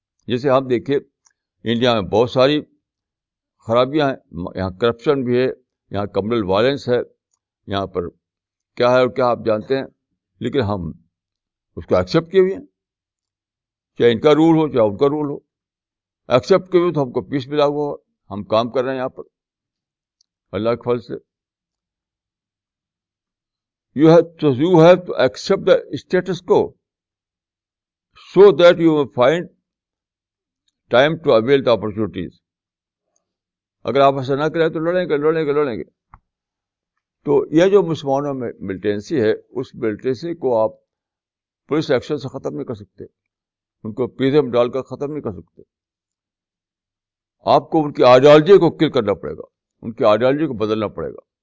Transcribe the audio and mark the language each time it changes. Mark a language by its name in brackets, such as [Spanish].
[Urdu] جیسے ہم دیکھیں انڈیا میں بہت ساری خرابیاں ہیں, یہاں کرپشن بھی ہے, یہاں کمیونل وائلنس ہے, یہاں پر کیا ہے اور کیا آپ جانتے ہیں, لیکن ہم اس کو ایکسیپٹ کیے ہوئے ہیں. چاہے ان کا رول ہو چاہے ان کا رول ہو, ایکسیپٹ کیے ہوئے تو ہم کو پیس ملا ہوا, ہم کام کر رہے ہیں یہاں پر اللہ کے فضل سے. [English] You have to accept the status quo so that you will find time to avail the opportunities. [Urdu] اگر آپ ایسا نہ کریں تو لڑیں گے. تو یہ جو مسلمانوں میں ملٹینسی ہے اس ملٹینسی کو آپ پولیس ایکشن سے ختم نہیں کر سکتے, ان کو پیزے میں ڈال کر ختم نہیں کر سکتے. آپ کو ان کی آئیڈیالوجی کو کل کرنا پڑے گا, ان کی آئیڈیالوجی کو بدلنا پڑے گا.